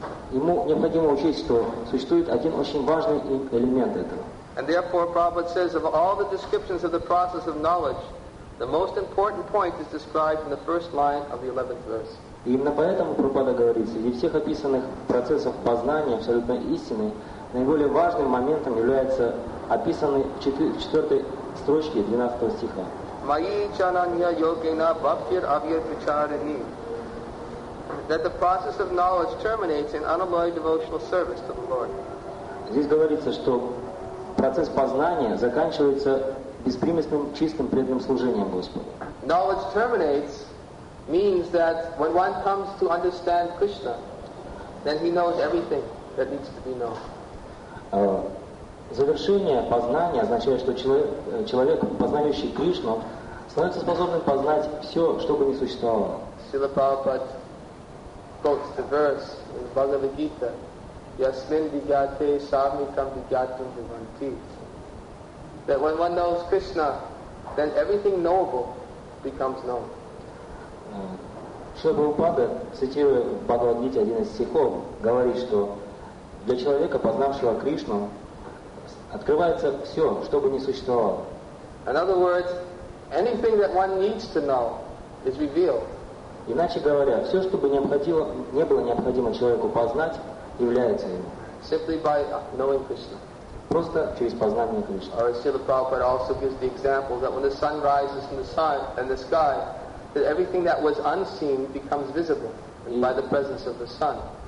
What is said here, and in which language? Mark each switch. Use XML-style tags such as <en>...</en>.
<ru>Ему необходимо учесть, что существует один очень важный элемент этого.</ru> <en>And therefore, Prabhupada says, of all the descriptions of the process of knowledge, the most important point is described in the first line of the 11th verse.</en> <ru>И именно поэтому Прабхупада говорит, среди всех описанных процессов познания абсолютной истины, наиболее важным моментом является описанный в 4 строчке 12 стиха.</ru> <sa>Mayi chananya yogena bhaktir avya vicharani.</sa> <en>That the process of knowledge terminates in unalloyed devotional service to the Lord.</en> <ru>Здесь говорится, что процесс познания заканчивается беспримесным, чистым, преданным служением Господу.</ru> <en>Knowledge terminates means that when one comes to understand Krishna, then he knows everything that needs to be known.</en> <ru>Завершение познания означает, что человек, познающий Кришну, становится способным познать все, что бы ни существовало.</ru> <en>So Srila Prabhupada quotes the verse in the Bhagavad Gita,</en> <sa>Yasmin Vigyate Sarvikam Vigyatam Vivanti,</sa> <en>that when one knows Krishna, then everything knowable becomes known.</en> <ru>Шри Прабхупада, цитируя в Бхагавад-гите один из стихов, говорит, что для человека, познавшего Кришну, открывается все, что бы ни существовало.</ru> <en>In other words, anything that one needs to know is revealed.</en> <ru>Иначе говоря, все, что бы не было необходимо человеку познать, является ему.</ru> <en>Simply by knowing Krishna.</en> <ru>Просто через познание Кришны.</ru> <en>Or Srila Prabhupada also gives the example that when the sun rises in the sun and the sky, that everything that was unseen becomes visible by the presence of the sun.</en>